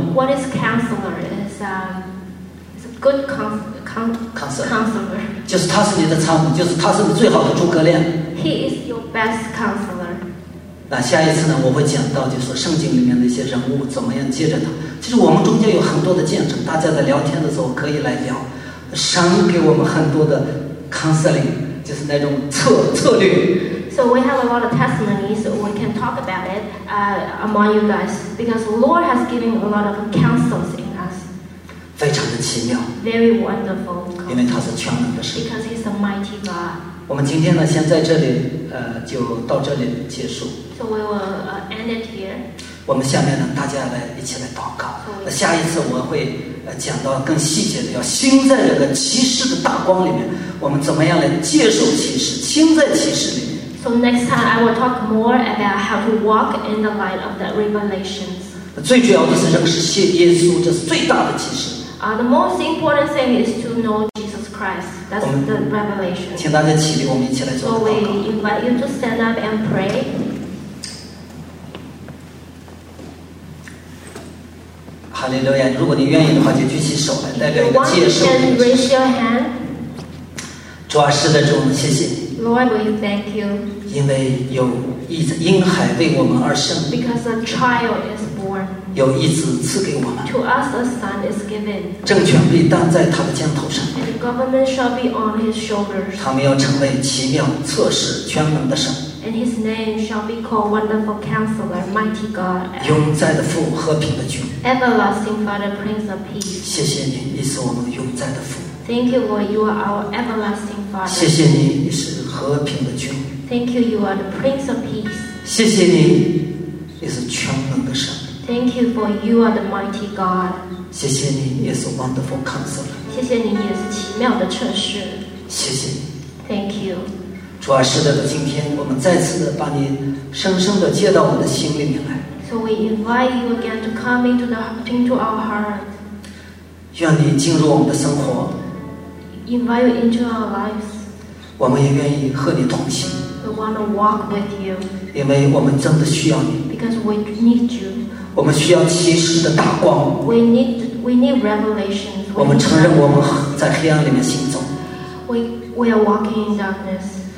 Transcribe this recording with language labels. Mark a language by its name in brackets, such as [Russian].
[English] what is counselor is a good counselor [Chinese] 就是他是你的参谋就是他是你最好的诸葛亮 [English] he is your best counselor [Chinese] 那下一次呢我会讲到就是圣经里面的一些人物怎么样接着他其实我们中间有很多的见证大家在聊天的时候可以来聊神给我们很多的 counseling 就是那种策略 [English] so we have a lot of testimonies so we can talk about it among you guys because the Lord has given a lot of counsels in us [Chinese] 非常的奇妙 [English] very wonderful [Chinese] 因为他是全能的神 [English] because he's a mighty God [Chinese] 我们今天呢先在这里就到这里结束 [English] so we will end it here [Chinese] 我们下面呢大家来一起来祷告、 [English] so、 [Chinese] 下一次我会讲到更细节的要心在这个启示的大光里面我们怎么样来接受启示心在启示里面 [English] So next time I will talk more about how to walk in the light of the revelations [Chinese] 最主要的是认识耶稣这是最大的启示 [English] The most important thing is to know Jesus Christ That's the revelation [Chinese] 请大家起立我们一起来做祷告 [English] So we invite you to stand up and pray [Chinese] 哈利路亚如果你愿意的话就举起手来代表一个接受 [English] 你 you raise your hand [Chinese] 主啊是的主我们谢谢 [English] Lord we thank you [Chinese] 因为有一婴孩为我们而生 [English] because a child is born [Chinese] 有一子赐给我们 [English] to us a son is given [Chinese] 政权必担在他的肩头上 [English] and the government shall be on his shoulders [Chinese] 他们要成为奇妙测试全能的神 [English] and his name shall be called wonderful counselor mighty God [Chinese] 永在的父和平的君 [English] Everlasting Father, Prince of Peace. [Chinese] 谢谢你，你是我们永在的父。 [English] Thank you, Lord. You are our everlasting Father. [Chinese] 谢谢你，你是和平的君。 [English] Thank you. You are the Prince of Peace. [Chinese] 谢谢你，你是全能的神。 [English] Thank you, for you are the mighty God. [Chinese] 谢谢你，你是 [English] wonderful Counselor. [Chinese] 谢谢你，你也是奇妙的测试。谢谢你。 [English] Thank you. [Chinese] 主啊，是的，今天我们再次把你深深的接到我的心里面来。 [English] So we invite you again to come into our heart. [Chinese] 愿你进入我们的生活。 [English] Invite you into our lives. [Chinese] 我们也愿意和你同行。 [English] We want to walk with you. [Chinese] 因为我们真的需要你。 [English] Because we need you. [Chinese] 我们需要启示的大光。 [English] We need revelation. [Chinese] 我们承认我们在黑暗里面行走。 [English] We are walking in darkness.